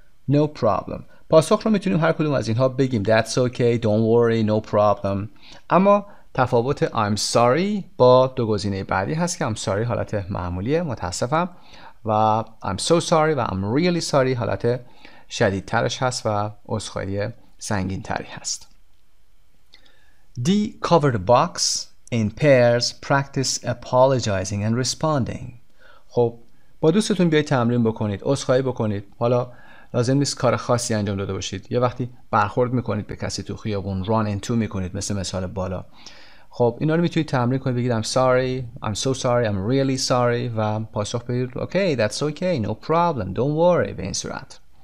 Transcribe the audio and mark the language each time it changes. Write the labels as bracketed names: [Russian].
[English] No problem. [Persian] پاسخ رو میتونیم هر کدوم از اینها بگیم [English] That's okay, don't worry, no problem. [Persian] اما تفاوت I'm sorry با دو گزینه بعدی هست که I'm sorry حالت معمولیه، متاسفم، و I'm so sorry و I'm really sorry حالت شدیدترش هست و عذرخواهی سنگینتری هست. [English] D. Cover the box in pairs, practice apologizing and responding. [Persian] خب با دوستتون بیایید تمرین بکنید، عذرخواهی بکنید. حالا لازم نیست کار خاصی انجام داده باشید، یه وقتی برخورد میکنید به کسی تو خیابون، run into میکنید مثل مثال بالا، خب اینا رو میتونید تمرین کنید، بگید [English] I'm sorry, I'm so sorry, I'm really sorry [Persian] و پاسخ بگید [English] Okay, that's okay, no problem, don't worry [Persian] به این صورت.